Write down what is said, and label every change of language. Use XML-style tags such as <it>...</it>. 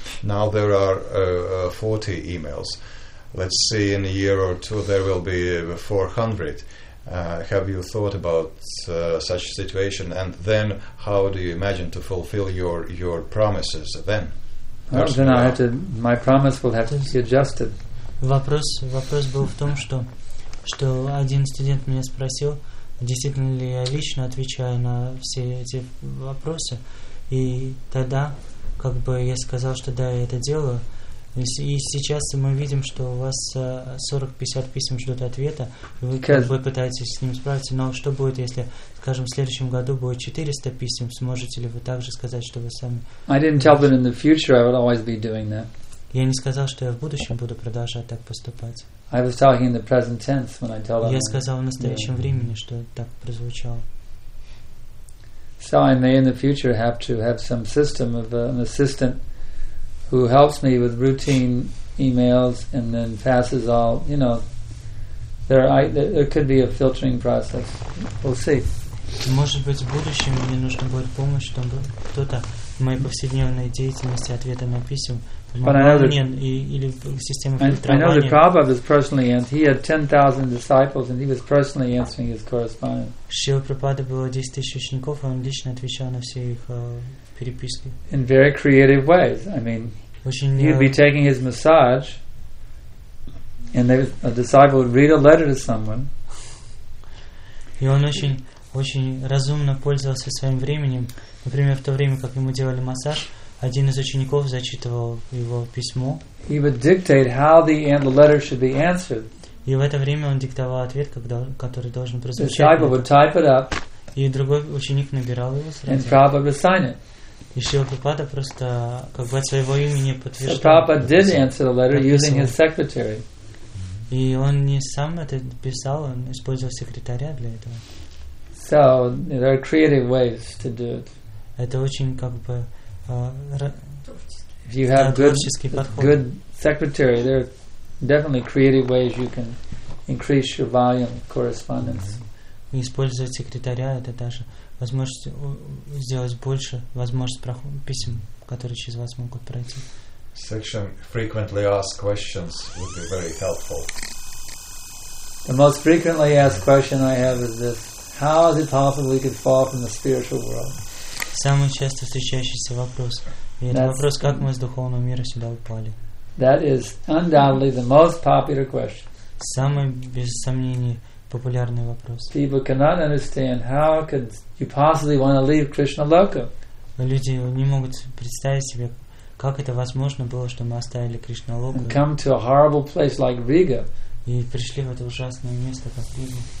<en>Now there are 40 emails. Let's see, in a year or two there will be 400. Have you thought about such a situation? And then how do you imagine to fulfill your promises then? Then I have to, my promise will have to be adjusted.</en> <ru>Вопрос был в том, что один студент меня спросил, действительно ли я лично отвечаю на все эти вопросы. И тогда как бы я сказал, что да, я это делаю. И сейчас мы видим, что у вас 40-50 писем ждут ответа, и вы пытаетесь с ним справиться. Но что будет, если, скажем, в следующем году будет 400 писем? Сможете ли вы также сказать, что вы сами?</ru> <en>I didn't tell them in the future I would always be doing that.</en> <ru>Я не сказал, что я в будущем буду продолжать так поступать.</ru> <en>I was talking in the present tense when I told them.</en> <ru>Я сказал в настоящем времени, что так прозвучало.</ru> <en>So I may in the future have to have some system of an assistant who helps me with routine emails and then passes all, you know, there could be a filtering process. We'll see.</en> <ru>Может быть, в будущем мне нужно будет помощь, чтобы кто-то в моей повседневной деятельности ответы на писем или система фильтрования.</ru> <en>I know the Prabhupada was personally he had 10,000 disciples and he was personally answering his correspondence.</en> <ru>Шрила Прабхупада было 10 тысяч учеников, и он лично отвечал на все их переписки.</ru> <en>In very creative ways. I mean, he'd be taking his massage and a disciple would read a letter to someone.</en> <ru>И он очень разумно пользовался своим временем. Например, в то время, как ему делали массаж, один из учеников зачитывал его письмо.</ru> <en>He would dictate how the letter should be answered.</en> <ru>И в это время он диктовал ответ, который должен прозвучать.</ru> <en>The disciple would type it up.</en> <ru>И другой ученик набирал его сразу.</ru> <en>And Prabhupada would sign it.</en> <ru>И Шрила Прабхупада просто как бы от своего имени подтверждал.</ru> <en>So Prabhupada did answer the letter using his secretary.</en> <ru>И он не сам это писал, он использовал секретаря для этого.</ru> <en>So there are creative ways to do it.</en> <ru>Это очень как бы</ru> <en>if you have good secretary, there are definitely creative ways you can increase your volume of correspondence.</en> <ru>Использовать секретаря это даже возможность сделать больше возможность писем, которые через вас могут пройти.</ru> <en>Section frequently asked questions would be very helpful. The most frequently asked question I have is this: how is it possible we could fall from the spiritual world?</en> <ru>Самый часто встречающийся вопрос. И это вопрос, как мы из духовного мира сюда упали.</ru> <en>That is undoubtedly the most popular question.</en> <ru>Самый без сомнения популярный вопрос.</ru> <en>People cannot understand how could you possibly want to leave Krishna Loka.</en> <ru>Люди не могут представить себе, как это возможно было, что мы оставили Кришна Локу.</ru> <en>And come to a horrible place like Riga.</en> <ru>И пришли в это ужасное место, как Рига.</ru>